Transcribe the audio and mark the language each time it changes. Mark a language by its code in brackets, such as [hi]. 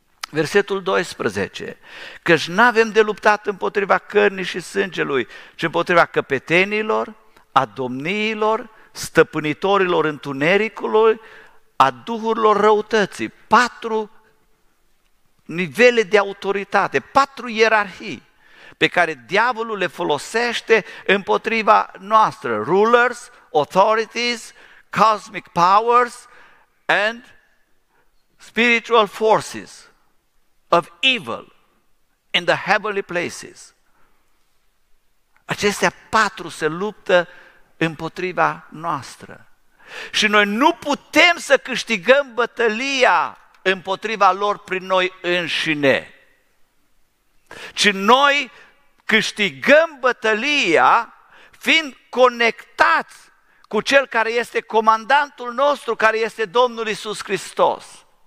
[ro] Versetul 12, căci nu avem de luptat împotriva cărnii și sângelui, ci împotriva căpetenilor, a domniilor, stăpânitorilor întunericului, a duhurilor răutății. Patru nivele de autoritate, patru ierarhii pe care diavolul le folosește împotriva noastră. [en] Rulers, authorities, cosmic powers and spiritual forces of evil in the heavenly places. [ro] Acestea patru se luptă împotriva noastră. Și noi nu putem să câștigăm bătălia împotriva lor prin noi înșine, ci noi câștigăm bătălia fiind conectați cu Cel care este comandantul nostru, care este Domnul Iisus Hristos.